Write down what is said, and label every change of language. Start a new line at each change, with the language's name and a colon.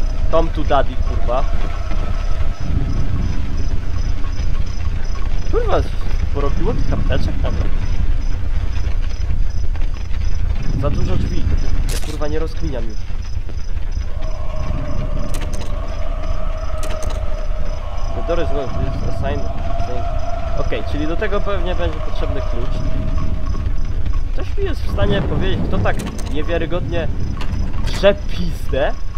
English: Come to daddy,
Polish: kurwa. Kurwa, porobiło tych apteczek nawet. Za dużo drzwi. Ja kurwa nie rozkminiam już.
English: The door is not assigned.
Polish: Okej, czyli do tego pewnie będzie potrzebny klucz. Ktoś mi jest w stanie powiedzieć, kto tak niewiarygodnie przepizdę?